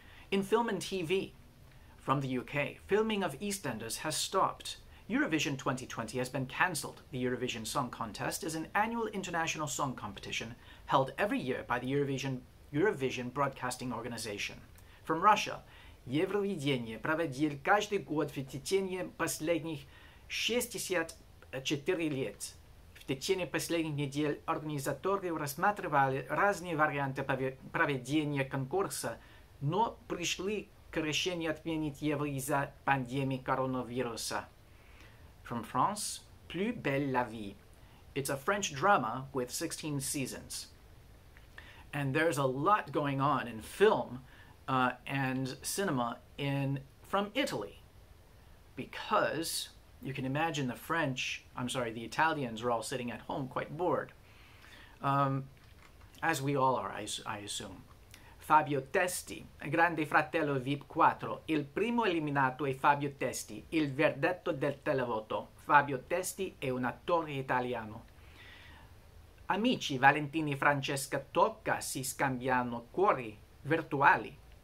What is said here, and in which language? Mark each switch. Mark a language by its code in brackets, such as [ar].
[en] In film and TV, from the UK, filming of EastEnders has stopped. Eurovision 2020 has been cancelled. The Eurovision Song Contest is an annual international song competition held every year by the Eurovision Broadcasting Organization. From Russia, [ru] Евровидение проводит каждый год в течение последних 60 4 лет. В течение последних недель организаторы рассматривали разные варианты проведения конкурса, но пришли к решению отменить его из-за пандемии коронавируса. [en] From France, Plus belle la vie. It's a French drama with 16 seasons. And there's a lot going on in film and cinema from Italy. Because you can imagine the Italians are all sitting at home quite bored. As we all are, I assume. [it] Fabio Testi, grande fratello VIP 4, il primo eliminato è Fabio Testi, il verdetto del televoto. Fabio Testi è un attore italiano. Amici Valentini e Francesca Tocca si scambiano cuori virtuali.